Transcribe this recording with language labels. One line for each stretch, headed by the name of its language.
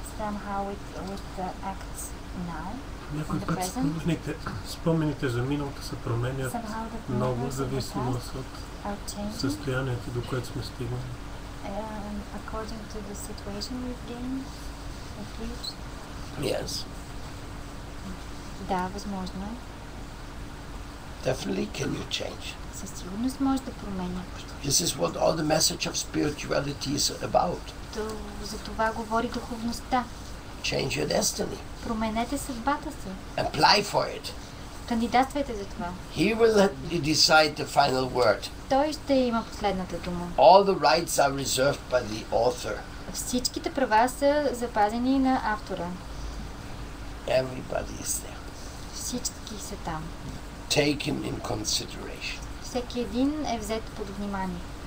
English: Somehow with the acts now.
Bulgarian: Някой път спомените за миналото се променят много зависимост от състоянието, до което сме стигнали.
English: According to the situation we've gained, at least. Yes.
Bulgarian: Да, възможно е.
English: Definitely can you change.
Bulgarian: Със сигурност може да променяш.
English: This is what all the message of spirituality is about.
Bulgarian: За това говори духовността.
English: Change your destiny.
Bulgarian: Променете съдбата си.
English: Apply for it.
Bulgarian: Кандидатствайте за това.
English: He will decide the final word.
Bulgarian: Той ще има последната дума.
English: All the rights are reserved by the author.
Bulgarian: Всичките права са запазени на автора.
English: Everybody is there.
Bulgarian: Всички са там.
English: Taken in consideration.
Bulgarian: Всеки един е взет под внимание.